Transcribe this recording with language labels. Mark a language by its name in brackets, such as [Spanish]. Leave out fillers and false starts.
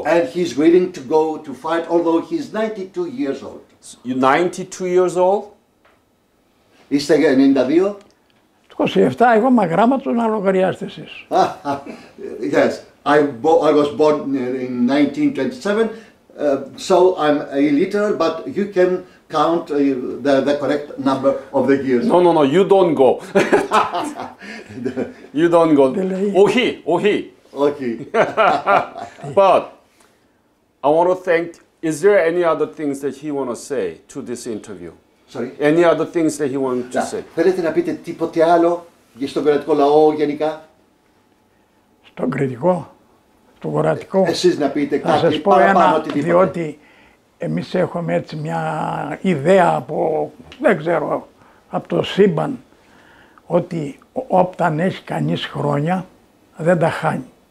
[English] And he's willing to go to fight, although he's 92 years old. So you're 92 years old? [Greek] Είστε 92? 27, εγώ μαγράμματος να λογαριάστε εσείς. [English] Yes, I was born in 1927. So I'm illiterate, but you can count the correct number of the years. No, you don't go. You don't go. [Greek] Ohi. [English] Okay. But I want to thank. Is there any other things that he want to say to this interview? Sorry. Any other things that he want to say? [Greek] Θέλετε να πείτε τίποτε άλλο για στον κορεατικό λαό γενικά? Στον κορεατικό. Κορεατικό. Εσείς να πείτε κάτι, θα σας πω ένα, διότι εμείς έχουμε έτσι μια ιδέα από, δεν ξέρω, από το σύμπαν, ότι όταν έχει κανείς χρόνια δεν τα χάνει.